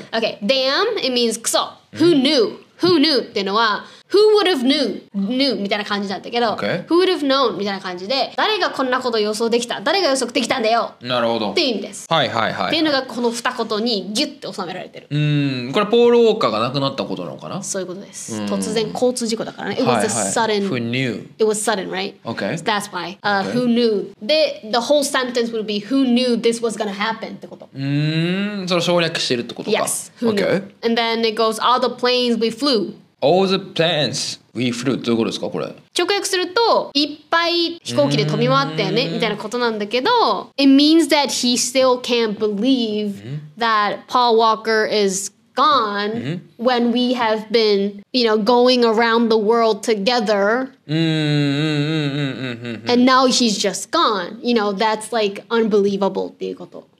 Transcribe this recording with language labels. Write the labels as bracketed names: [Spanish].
[English] OK Damn it means [Japanese] クソ、うん、 [English] Who knew Who knew [Japanese] っていうのは [English] Who would have knew knew [Japanese] みたいな感じなんだけど、 [English] okay. Who would have known [Japanese] みたいな感じで誰がこんなこと予想できた誰が予測できたんだよなるほどっていう意味ですはいはいはいっていうのがこの二言にギュッて収められてるうんこれポール・ウォーカーが亡くなったことなのかなそういうことです突然交通事故だからね [English] It was a sudden [Japanese] はい、はい、 [English] Who knew It was sudden right Okay That's why、Who knew [Japanese] で [English] The whole sentence would be Who knew this was gonna happen [Japanese] ってことそれ省略してるってことか [English] Yes Who knew、 okay. And then it goes All the planes we flew All the planes we flew [Japanese] どういうことですかこれ直訳するといっぱい飛行機で飛び回ったよねみたいなことなんだけど [English] It means that he still can't believe that Paul Walker is gone when we have been you know going around the world together and now he's just gone you know that's like unbelievable [Japanese] っていうこと